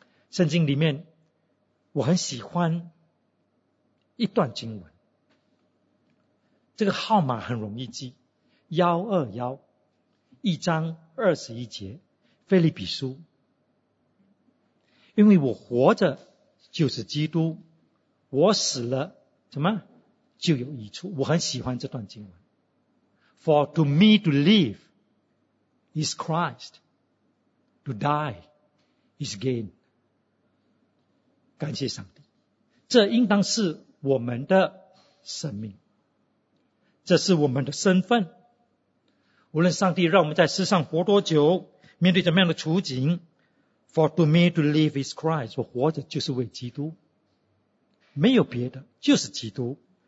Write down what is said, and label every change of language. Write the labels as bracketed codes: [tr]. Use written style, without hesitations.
[zh] 圣经里面我很喜欢一段经文，这个号码很容易记，121，一章21节，腓立比书。因为我活着就是基督，我死了怎么就有益处。我很喜欢这段经文。 [en] For to me to live is Christ, to die is gain. [zh] 感谢上帝。这应当是我们的生命，这是我们的身份。无论上帝让我们在世上活多久，面对怎么样的处境， [en] For to me to live is Christ, [zh] 我活着就是为基督，没有别的，就是基督。